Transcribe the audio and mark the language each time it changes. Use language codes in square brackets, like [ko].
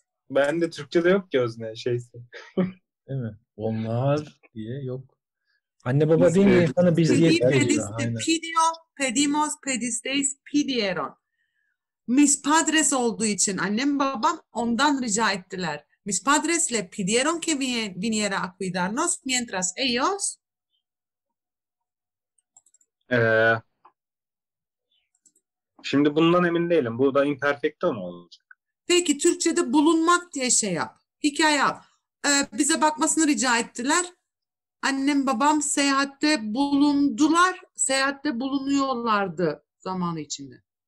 [tr] Ben de Türkçe'de yok ki özne şeyse. Değil mi? Onlar diye yok. Anne baba değil mi? Sana biz diye [es] deriz. Pidio, pedimos, pedisteis, pidieron. Mis padres [tr] olduğu için annem babam ondan rica ettiler. [es] Mis padres le pidieron que viniera a cuidarnos mientras ellos... [tr] Şimdi bundan emin değilim. Burada imperfecto mu olacak? Peki Türkçe'de bulunmak diye şey yap. Hikaye yap. Bize bakmasını rica ettiler. Annem babam seyahatte bulundular. Seyahatte bulunuyorlardı zamanı içinde.